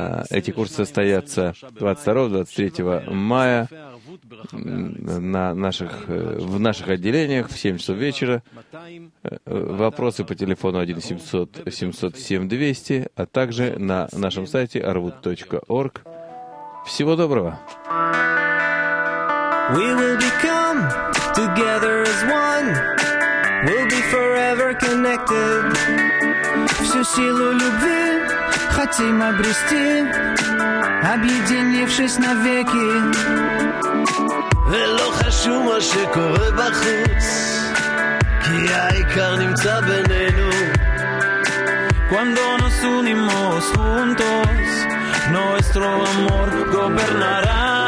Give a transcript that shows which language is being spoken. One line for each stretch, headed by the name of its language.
Russian: Эти курсы состоятся 22-23 мая на наших... в наших отделениях в 7 часов вечера. Вопросы по телефону 1-700-707-200, а также на нашем сайте arvut.org. Всего доброго!
English: We will become together as one. We'll be forever connected.
Russian: Всю силу любви хотим обрести, объединившись навеки.
Hebrew: ולא חשוב מה שקורה בחוץ, כי העיקר נמצא בינינו.
Spanish: Cuando nos unimos juntos, nuestro amor gobernará.